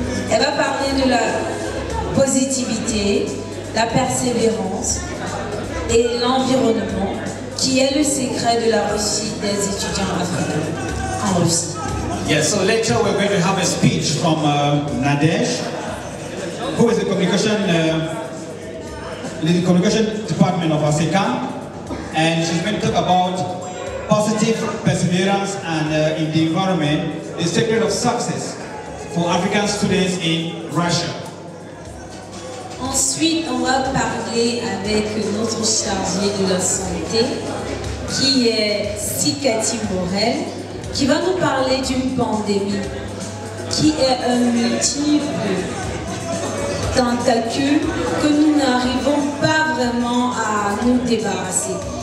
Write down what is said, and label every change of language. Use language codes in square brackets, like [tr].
[fr] Elle va parler de la positivité, la persévérance et l'environnement, qui est le secret de la réussite des étudiants africains en Russie. [en] Yes, so later we're going to have a speech from Nadej, who is the communication department of ASECA, and she's going to talk about positive perseverance and in the environment, the secret of success for African students in Russia. [fr] Ensuite, on va parler avec notre chargé de la santé, qui est Cathy Morel, qui va nous parler d'une pandémie qui est un multiple tentacule que nous n'arrivons pas vraiment à nous débarrasser.